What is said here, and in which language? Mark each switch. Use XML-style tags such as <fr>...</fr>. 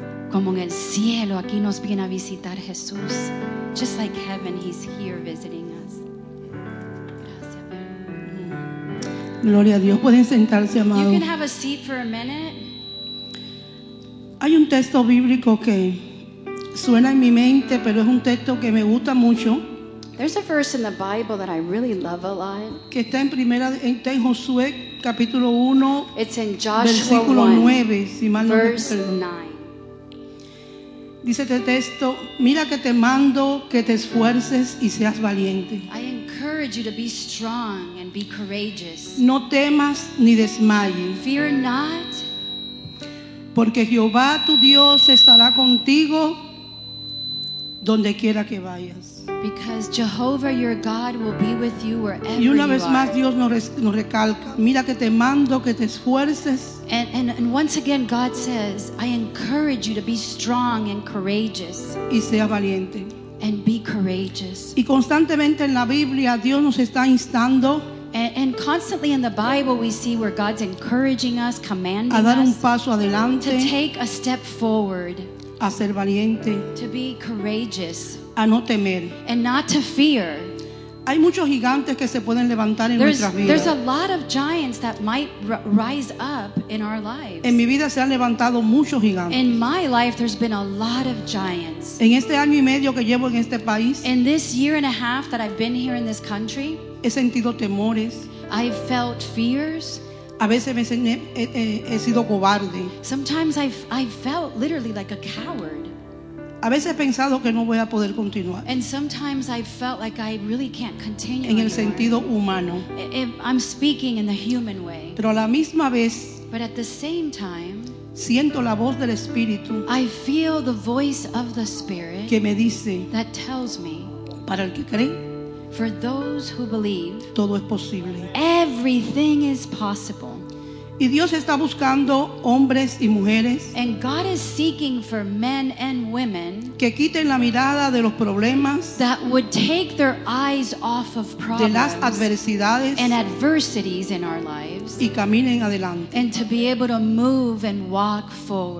<es>Como en el cielo, aquí nos viene a visitar Jesús.</es> <en>Just like heaven, He's here visiting us.</en> <es>Gracias. Gloria a Dios. Pueden sentarse, amado.</es> <en>You can have a seat for a minute.</en> <es>Hay un texto bíblico que suena en mi mente, pero es un texto que me gusta mucho.</es> <en>There's a verse in the Bible that I really love a lot.</en> <es>Que está en primera, está en Josué, capítulo 1,</es> <en>it's in Joshua</en> <es>versículo 1, 9, si mal no</es> <en>verse</en> <es>me</es> <en>9.</en> <es>Dice este texto, mira que te mando que te esfuerces y seas valiente.</es> <en>I encourage you to be strong and be courageous.</en> <es>No temas ni desmayes.</es> <en>Fear not.</en> <es>Porque Jehová tu Dios estará contigo donde quiera que vayas.</es> <en>Because Jehovah your God will be with you wherever you are.</en> <es>Y una vez más Dios nos recalca, mira que te mando que te esfuerces.</es> <en>And once again God says, I encourage you to be strong and courageous.</en> <es>Y sea valiente.</es> <en>And be courageous.</en> <es>Y constantemente en la Biblia Dios nos está instando.</es> <en>And constantly in the Bible we see where God's encouraging us, commanding</en> <es>a dar un paso adelante,</es> <en>us to take a step forward.</en> <es>A ser valiente.</es> <en>To be courageous.</en> <es>A no temer.</es> <en>And not to fear.</en> <es>Hay muchos gigantes que se pueden levantar en</es> <en>there's,</en> <es>nuestras vidas.</es> <en>There's a lot of giants that might rise up in our lives.</en> <es>En mi vida se han levantado muchos gigantes.</es> <en>In my life there's been a lot of giants.</en> <es>En este año y medio que llevo en este país,</es> <en>in this year and a half that I've been here in this country,</en> <es>he sentido temores.</es> <en>I've felt fears.</en> <es>A veces he sido cobarde.</es> <en>Sometimes I've felt literally like a coward.</en> <es>A veces he pensado que no voy a poder continuar.</es> <en>And sometimes I felt like I really can't continue.</en> <es>En el sentido humano.</es> <en>I'm speaking in the human way.</en> <es>Pero a la misma vez.</es> <en>But at the same time.</en> <es>Siento la voz del Espíritu.</es> <en>I feel the voice of the Spirit.</en> <es>Que me dice.</es> <en>That tells me.</en> <es>Para el que cree.</es> <en>For those who believe.</en> <es>Todo es posible.</es> <en>Everything is possible.</en> <es>Y Dios está buscando hombres y mujeres.</es> <en>And God is seeking for men and women</en> <es>que quiten la mirada de los problemas,</es> <en>that would take their eyes off of problems,</en> <es>de las adversidades,</es> <en>and adversities in our lives,</en> <es>y caminen adelante,</es> <en>and to be able to move and walk forward,</en>